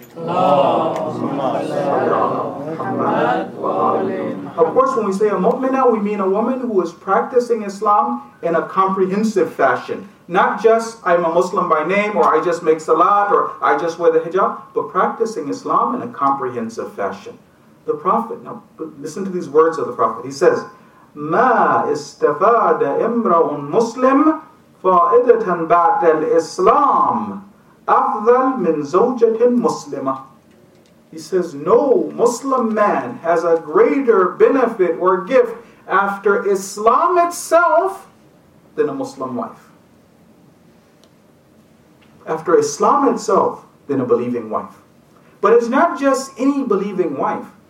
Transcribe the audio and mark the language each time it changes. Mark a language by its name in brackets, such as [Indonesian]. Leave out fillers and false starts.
[English] Allahumma Of course, when we say a mu'mina, we mean a woman who is practicing Islam in a comprehensive fashion. Not just, I'm a Muslim by name, or I just make salat, or I just wear the hijab, but practicing Islam in a comprehensive fashion. The Prophet, now listen to these words of the Prophet. [Arabic] He says, مَا إِسْتَفَادَ إِمْرَأٌ مُسْلِمٌ فَائِدَةً بَعْدَ الْإِسْلَامِ أَفْضَلْ مِنْ زَوْجَةٍ مُسْلِمَةٍ. [English] He says, no Muslim man has a greater benefit or gift after Islam itself than a Muslim wife. After Islam itself, than a believing wife. But it's not just any believing wife.